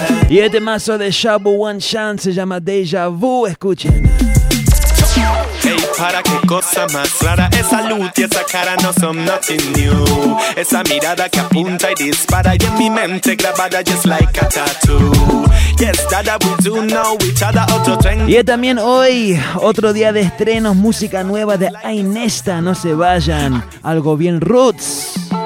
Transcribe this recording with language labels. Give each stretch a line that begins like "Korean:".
Spanish: Y este mazo de Shabu One Chan se llama Deja Vu, escuchen. Hey, para qué cosa más rara, esa luz y esa cara no son nothing new. Esa mirada que apunta y dispara y en mi mente grabada just like a tattoo.
English: Yes, that we do know each other, otro trend.
Spanish: Y también hoy, otro día de estrenos, música nueva de Ainesta, no se vayan, algo bien roots.